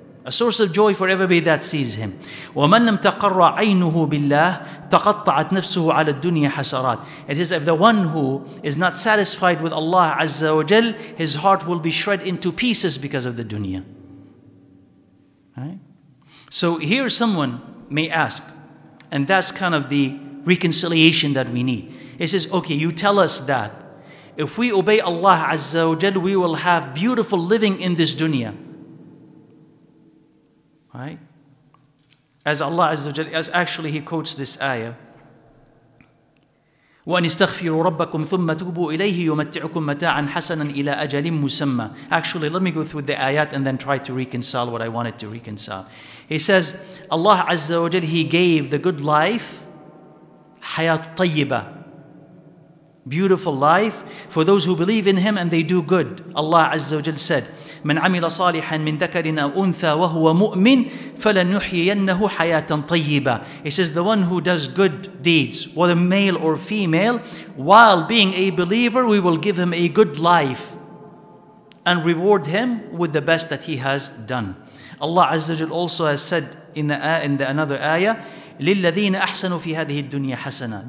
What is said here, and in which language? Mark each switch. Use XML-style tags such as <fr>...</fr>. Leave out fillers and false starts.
<en>A source of joy for everybody that sees him.</en> <ar>وَمَنْ لَمْ تَقَرَّ عَيْنُهُ بِاللَّهِ تَقَطَّعَتْ نَفْسُهُ عَلَى الدُّنْيَا حَسَرَاتٍ.</ar> <en>It says, if the one who is not satisfied with Allah Azza wa Jal, his heart will be shred into pieces because of the dunya. Right? So here someone may ask, and that's kind of the reconciliation that we need. He says, okay, you tell us that if we obey Allah Azza wa Jal, we will have beautiful living in this dunya. Right? As Allah Azza wa Jalla, as actually he quotes this ayah,</en> <ar>وَأَنِ اسْتَغْفِرُوا رَبَّكُمْ ثُمَّ تُوبُوا إِلَيْهِ يُمَتِّعُكُمْ مَتَاعًا حَسَنًا إِلَىٰ أَجَلٍ مُسَمَّى.</ar> <en>Actually, let me go through the ayat and then try to reconcile what I wanted to reconcile. He says, Allah Azza wa Jalla, he gave the good life,</en> <ar>حَيَاتُ طَيِّبَةً,</ar> <en>beautiful life, for those who believe in him and they do good. Allah Azza wa Jalla said,</en> <ar>من عمل صالحا من ذكر أو أنثى وهو مؤمن فلنحيينه حياة طيبة.</ar> <en>He says, the one who does good deeds, whether male or female, while being a believer, we will give him a good life and reward him with the best that he has done. Allah Azza wa Jalla also has said in another ayah,</en> <ar>للذين أحسنوا في هذه الدنيا حسنة.</ar>